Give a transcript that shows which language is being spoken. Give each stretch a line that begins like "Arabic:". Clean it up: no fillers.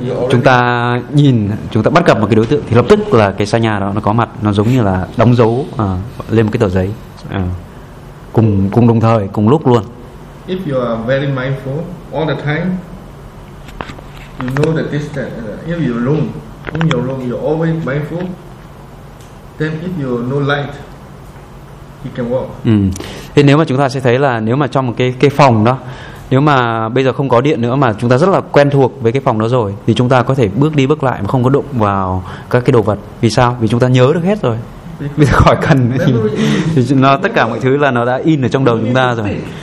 Vietnamese: chúng ta nhìn, chúng ta bắt gặp một cái đối tượng thì lập tức là cái sanya đó nó có mặt, nó giống như là đóng dấu lên một cái tờ giấy cùng đồng thời, cùng lúc luôn.
English: If you are very mindful all the time, you know the distance. If you room, in your room, you're always mindful. Then if you no light, you can walk.
Vietnamese: Thế nếu mà chúng ta sẽ thấy là nếu mà trong một cái phòng đó, nếu mà bây giờ không có điện nữa mà chúng ta rất là quen thuộc với cái phòng đó rồi, thì chúng ta có thể bước đi bước lại mà không có đụng vào các cái đồ vật. Vì sao? Vì chúng ta nhớ được hết rồi. Bây giờ khỏi cần thì nó tất cả mọi thứ là nó đã in ở trong đầu chúng ta rồi.